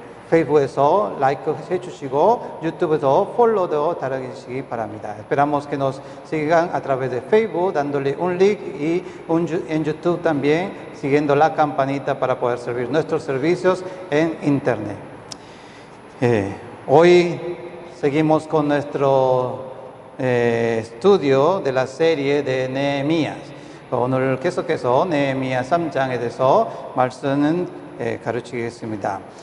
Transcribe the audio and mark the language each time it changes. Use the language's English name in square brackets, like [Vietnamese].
[Korean] 페이북에서 라이크 해주시고 유튜브에서 폴로도 달아주시기 바랍니다. [Spanish] Esperamos que nos sigan a través de Facebook dándole un like y en YouTube también siguiendo la campanita para poder servir nuestros servicios en internet. Hoy seguimos con nuestro estudio de la serie de Nehemías. [Korean] 오늘 계속해서 네헤미야 3장에 대해서 말씀을 가르치겠습니다.